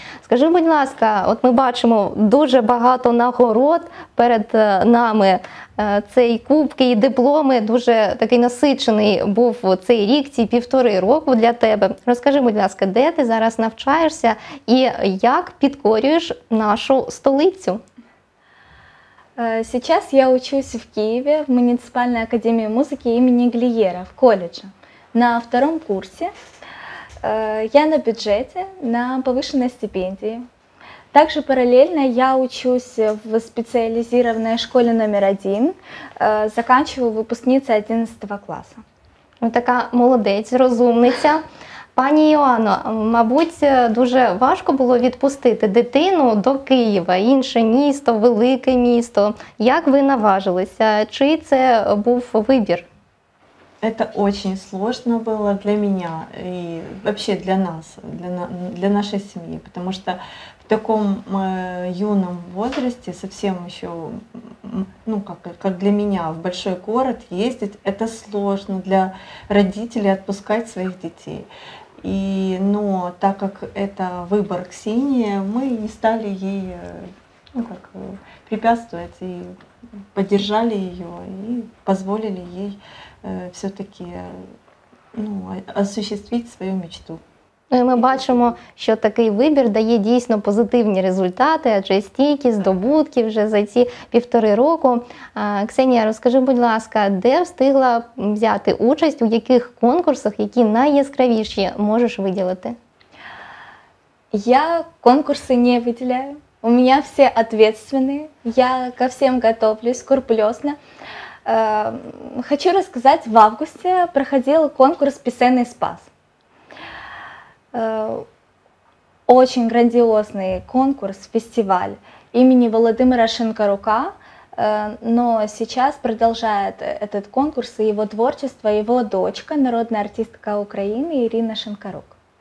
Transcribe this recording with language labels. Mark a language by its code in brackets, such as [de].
[uk] Скажи, будь ласка, от ми бачимо дуже багато нагород перед нами. Цей кубки і дипломи, дуже такий насичений був цей рік, ці півтори року для тебе. Розкажи, будь ласка, де ти зараз навчаєшся і як підкорюєш нашу столицю? [ru] Сейчас я учусь в Киеве в муниципальной академии музыки имени Глиера в колледже. На втором курсе я на бюджете на повышенной стипендии. Также параллельно я учусь в специализированной школе номер один, заканчиваю выпускницей 11 класса. Вот такая [uk] молодець, розумниця. Пані Іоанно, мабуть, дуже важко було відпустити дитину до Києва, інше місто, велике місто. Як ви наважилися? Чи це був вибір? Це дуже складно було для мене і взагалі для нас, для нашої сім'ї. Тому що в такому юному віці, зовсім ще, ну, як для мене, в великий город їздити, це складно для батьків відпускати своїх дітей. [ru] И, но так как это выбор Ксении, мы не стали ей, ну, как, препятствовать и поддержали ее и позволили ей все-таки, ну, осуществить свою мечту. [uk] Ну, ми бачимо, що такий вибір дає дійсно позитивні результати, адже стільки здобутків вже за ці півтори року. Ксенія, розкажи, будь ласка, де встигла взяти участь, у яких конкурсах, які найяскравіші, можеш виділити? Я конкурси не виділяю, у мене всі відповідальні, я ко всім готуюсь скрупульозно. Хочу розказати, в августі проходив конкурс «Пісенний спас». [ru] Очень грандиозный конкурс, фестиваль. имени Володимира Шинкарука, но сейчас продолжает этот конкурс и его творчество его дочка, народная артистка Украины Ирина Шинкарук.